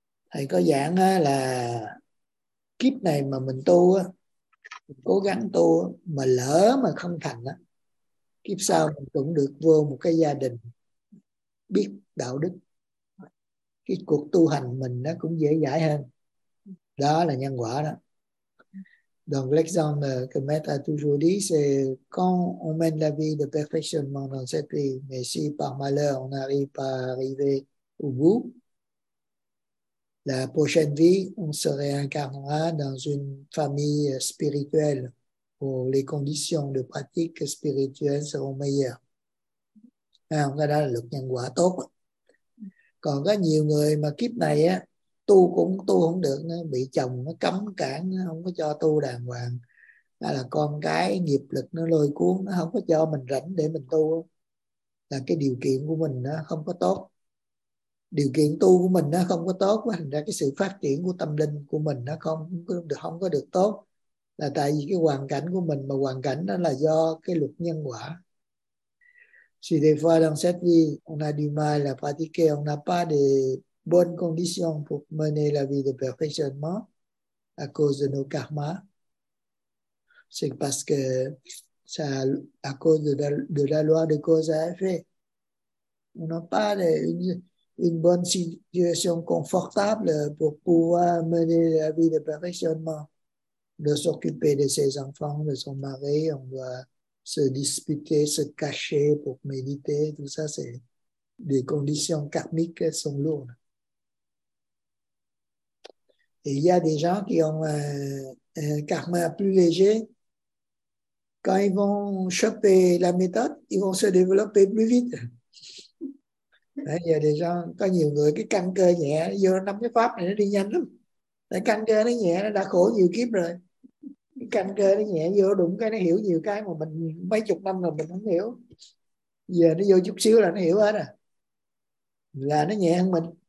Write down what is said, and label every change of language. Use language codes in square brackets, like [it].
[vi] Thầy có giảng là kiếp này mà mình tu, mình cố gắng tu, mà lỡ mà không thành, kiếp sau mình cũng được vô một cái gia đình biết đạo đức. Cái cuộc tu hành mình nó cũng dễ dãi hơn. Đó là nhân quả đó. [fr] Donc l'exemple que Maître a toujours dit, c'est quand on mène la vie de perfectionnement dans cette vie, mais si par malheur on n'arrive pas à arriver au bout, la prochaine vie, on se réincarnera dans une famille spirituelle où les conditions de pratique spirituelle seront meilleures. Et on a là le [vi] nhân quả tốt. Còn có nhiều người mà kiếp này á, tu cũng tu không được, nó bị chồng nó cấm cản, nó không có cho tu đàng hoàng. Đó là con cái nghiệp lực nó lôi cuốn, nó không có cho mình rảnh để mình tu. Là cái điều kiện của mình nó không có tốt. Điều kiện tu của mình nó không có tốt, thành ra cái sự phát triển của tâm linh của mình nó không có được tốt. Là tại vì cái hoàn cảnh của mình, mà hoàn cảnh đó là do cái luật nhân quả. [fr] Si des fois dans cette vie, on a du mal à pratiquer, on n'a pas de bonnes conditions pour mener la vie de perfectionnement à cause de nos karmas, c'est parce que ça à cause de la loi de cause à effet. On n'a pas une bonne situation confortable pour pouvoir mener la vie de perfectionnement. On doit s'occuper de ses enfants, de son mari, on doit se disputer, se cacher pour méditer, tout ça, c'est des conditions karmiques qui sont lourdes. Et il y a des gens qui ont un karma plus léger. Quand ils vont choper la méthode, ils vont se développer plus vite. [vi] Bây giờ thì sao? Có nhiều người cái căn cơ nhẹ vô năm cái pháp này nó đi nhanh lắm. Tại căn cơ nó nhẹ, nó đã khổ nhiều kiếp rồi. Cái căn cơ nó nhẹ vô đụng cái nó hiểu nhiều cái mà mình mấy chục năm rồi mình không hiểu. Giờ nó vô chút xíu là nó hiểu hết à. Là nó nhẹ hơn mình.